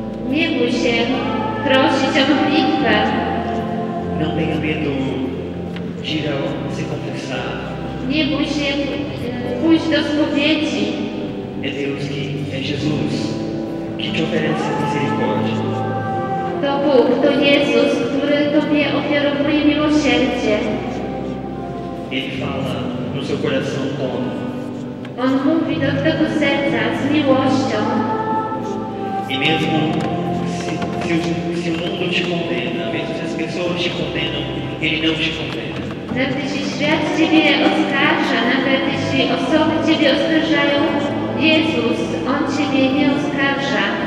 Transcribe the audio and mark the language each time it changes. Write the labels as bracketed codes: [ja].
[pl] Nie bój się prosić o modlitwę. [pt] Não tenha medo de ir ao se confessar. [pl] Nie bój się pójść do spowiedzi. [pt] É Deus que, é Jesus, que te oferece misericórdia. [pl] To Bóg, to Jezus, który Tobie ofiaruje miłosierdzie. [pt] Ele fala no seu coração como. [pl] On mówi do tego serca z miłością. [pt] E mesmo se o mundo te condena, mesmo se as pessoas te condenam, ele não te condena. [pl] Nawet jeśli świat ciebie oskarża, nawet jeśli osoby ciebie oskarżają, Jezus, On ciebie nie oskarża.